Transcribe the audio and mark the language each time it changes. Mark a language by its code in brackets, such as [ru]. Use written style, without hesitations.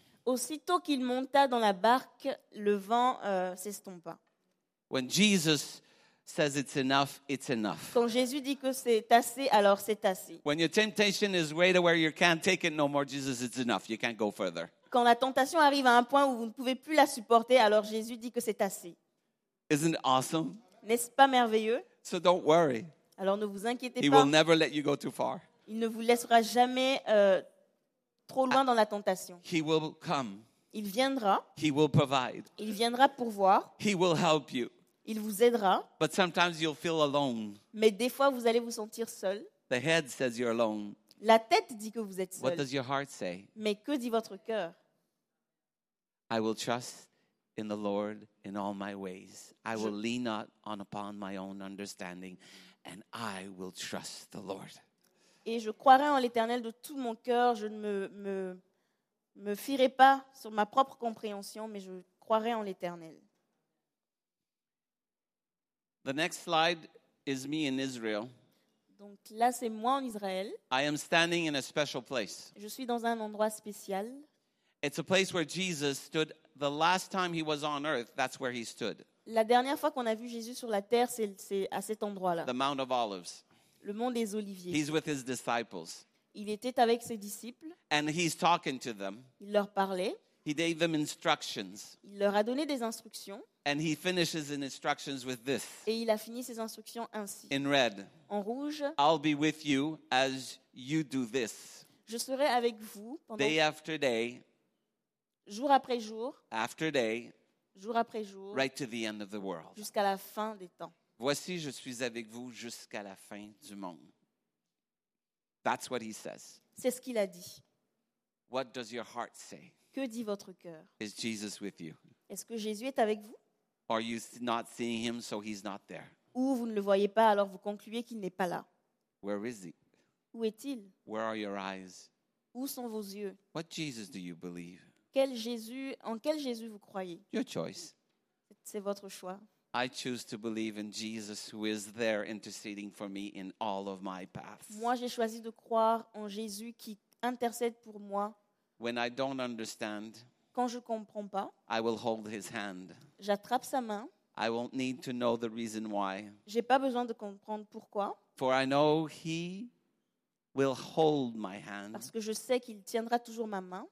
[fr] Aussitôt qu'il monta dans la barque, le vent s'estompa. [en] When Jesus says it's enough, it's enough. [fr] Quand Jésus dit que c'est assez, alors c'est assez. [en] When your temptation is way to where you can't take it no more, Jesus, it's enough. You can't go further. [fr] Quand la tentation arrive à un point où vous ne pouvez plus la supporter, alors Jésus dit que c'est assez. [en] Isn't it awesome? [fr] N'est-ce pas merveilleux? [en] So don't worry. [fr] Alors ne vous inquiétez [en] pas. He will never let you go too far. [fr] Il ne vous laissera jamais trop loin dans la tentation. [en] He will come. [fr] Il viendra. [en] He will provide. [fr] Il viendra pourvoir. [en] He will help you. [fr] Il vous aidera. [en] But sometimes you'll feel alone. [fr] Mais des fois, vous allez vous sentir seul. [en] The head says you're alone. [fr] La tête dit que vous êtes seul. [en] What does your heart say? [fr] Mais que dit votre cœur? [en] I will trust in the Lord in all my ways. I will lean not on upon my own understanding, and I will trust the Lord. [fr] Et je croirai en l'Éternel de tout mon cœur. Je ne me fierai pas sur ma propre compréhension, mais je croirai en l'Éternel. [en] The next slide is me in Israel. [fr] Donc là, c'est moi en Israël. [en] I am standing in a special place. [fr] Je suis dans un endroit spécial. [en] It's a place where Jesus stood the last time he was on earth. That's where he stood. [fr] La dernière fois qu'on a vu Jésus sur la terre, c'est à cet endroit-là. [en] The Mount of Olives. [fr] Le mont des Oliviers. [en] He's with his disciples. [fr] Il était avec ses disciples. [en] And he's talking to them. [fr] Il leur parlait. [en] He gave them instructions. [fr] Il leur a donné des instructions. [en] And he finishes his instructions with this. [fr] Et il a fini ses instructions ainsi. [en] In red. [fr] En rouge. [en] I'll be with you as you do this. [fr] Je serai avec vous pendant. [en] Day after day. [fr] Jour après jour. [en] After day. [fr] Jour après jour. [en] Right to the end of the world. [fr] Jusqu'à la fin des temps. Voici, je suis avec vous jusqu'à la fin du monde. [en] That's what he says. [fr] C'est ce qu'il a dit. [en] What does your heart say? [fr] Que dit votre cœur? [en] Is Jesus with you? [fr] Est-ce que Jésus est avec vous? [en] Or you not seeing him, so he's not there. [fr] Ou vous ne le voyez pas, alors vous concluez qu'il n'est pas là. [en] Where is he? [fr] Où est-il? [en] Where are your eyes? [fr] Où sont vos yeux? [en] What Jesus do you believe? [fr] Quel Jésus, en quel Jésus vous croyez? [en] Your choice. [fr] C'est votre choix. [en] I choose to believe in Jesus who is there interceding for me in all of my paths. [fr] Moi, j'ai choisi de croire en Jésus qui intercède pour moi. [en] When I don't understand, [fr] quand je comprends pas, [en] I will hold his hand. [fr] J'attrape sa main. [en] I won't need to know the reason why. [fr] J'ai pas besoin de comprendre pourquoi. [en] For I know he will hold my hand. [fr] Parce que je sais qu'il tiendra toujours ma main.